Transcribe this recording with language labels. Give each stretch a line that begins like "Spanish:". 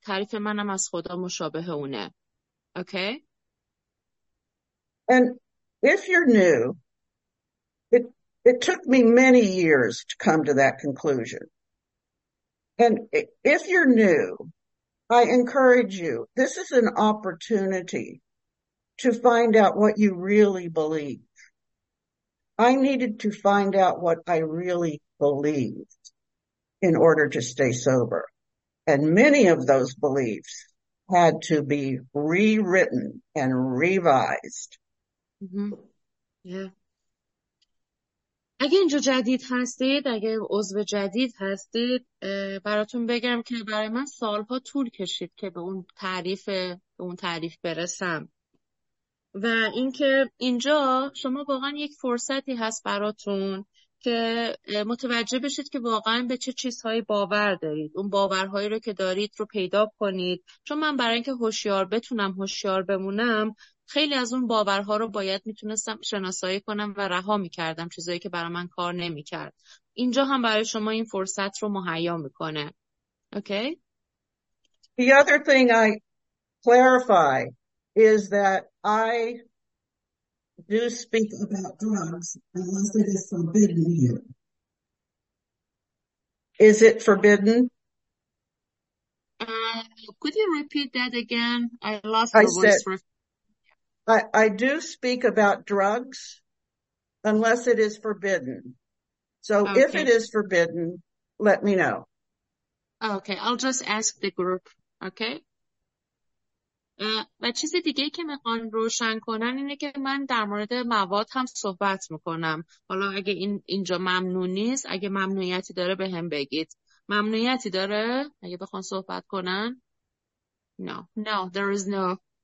Persian: تعریف منم از خدا مشابه اونه. اوکی.
English: And if you're new, it took me many years to come to that conclusion. And if you're new, I encourage you, this is an opportunity to find out what you really believe. I needed to find out what I really believed in order to stay sober. And many of those beliefs had to be rewritten and revised.
Persian: اگه اینجا جدید هستید، اگه عضو جدید هستید، براتون بگم که برای من سالها طول کشید که به اون تعریف برسم. و اینکه اینجا شما واقعا یک فرصتی هست براتون که متوجه بشید که واقعا به چه چیزهایی باور دارید، اون باورهایی رو که دارید رو پیدا کنید. چون من برای اینکه هوشیار بمونم، خیلی از اون باورها رو باید میتونستم شناسایی کنم و رها میکردم، چیزایی که برای من کار نمیکرد. اینجا هم برای شما این فرصت رو مهیا میکنه. اوکی.
English: The other thing I clarify is that I do speak about drugs unless it is forbidden here. Is it forbidden? Could you repeat that again? I lost I the said, voice for I do speak about drugs unless it is forbidden. So if okay. it is forbidden, let me know. Okay, I'll just ask the group.
Persian: اوکی. و چیز دیگه که میخوان روشن کنن اینه که من در مورد مواد هم صحبت میکنم. حالا اگه اینجا ممنوع نیست، اگه ممنوعیتی داره به هم بگید. ممنوعیتی داره اگه بخوان صحبت کنن؟
English: No, there is no.